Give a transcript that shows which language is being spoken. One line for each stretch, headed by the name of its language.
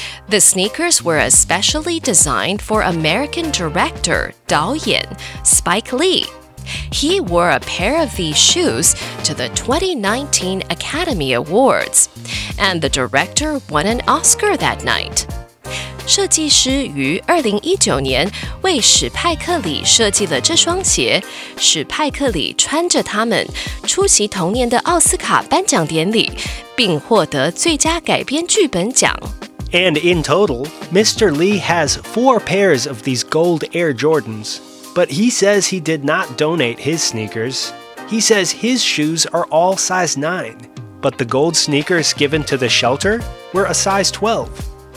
English: The sneakers were especially designed for American director, 导演, Spike Lee. He wore a pair of these shoes to the 2019 Academy Awards, and the director won an Oscar that night.
Chinese: 设计师于2019年为史派克里设计了这双鞋，史派克里穿着它们出席同年的奥斯卡颁奖典礼，并获得最佳改编剧本奖。
English: And in total, Mr. Lee has 4 pairs of these gold Air Jordans, but he says he did not donate his sneakers. He says his shoes are all size 9, but the gold sneakers given to the shelter were a size 12.